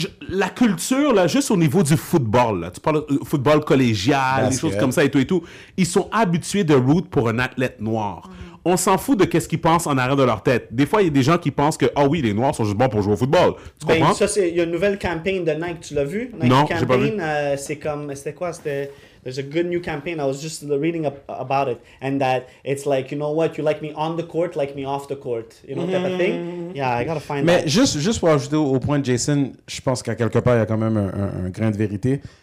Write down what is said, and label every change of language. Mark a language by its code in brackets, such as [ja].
[fr] La culture, là, juste au niveau du football, là, tu parles de football collégial, des choses comme ça et tout, ils sont habitués de root pour un athlète noir. Mm-hmm. On s'en fout de qu'est-ce qu'ils pensent en arrière de leur tête. Des fois, il y a des gens qui pensent que, oh oui, les noirs sont juste bons pour jouer au football. Tu comprends? Ça, c'est, il y a une nouvelle campagne de Nike, tu l'as vu? C'était quoi? [en] There's a good new campaign. I was just reading up about it, and that it's like, you know what, you like me on the court, like me off the court, you know, type of thing. Yeah, I gotta find [fr] Mais juste pour ajouter au point de Jason, je pense qu'à quelque part, il y a quand même un grain de vérité.